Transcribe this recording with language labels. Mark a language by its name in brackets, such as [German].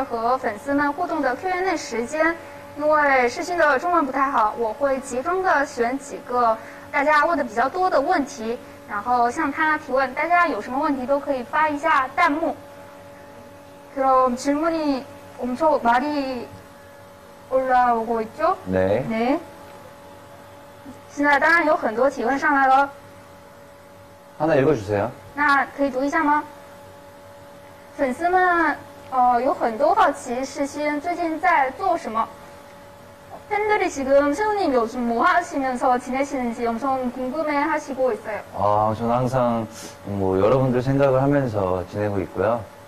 [Chinese] 今天呢，接下来是和粉丝们互动的 Q&A 시간.因为世勋的中文不太好，我会集中的选几个大家问的比较多的问题，然后向他提问。大家有什么问题都可以发一下弹幕。 [Korean] 그럼 질문이 엄청 많이 올라오고 있죠? 네. 네. [Chinese] 现在当然有很多提问上来了。 [Korean] 하나 읽어주세요. [Chinese] 那可以读一下吗？粉丝们，有很多好奇世勋最近在做什么。 [Korean] 팬들이 지금 세훈님 요즘 뭐 하시면서 지내시는지 엄청 궁금해 하시고 있어요. 저는 항상 뭐 여러분들 생각을 하면서 지내고 있고요.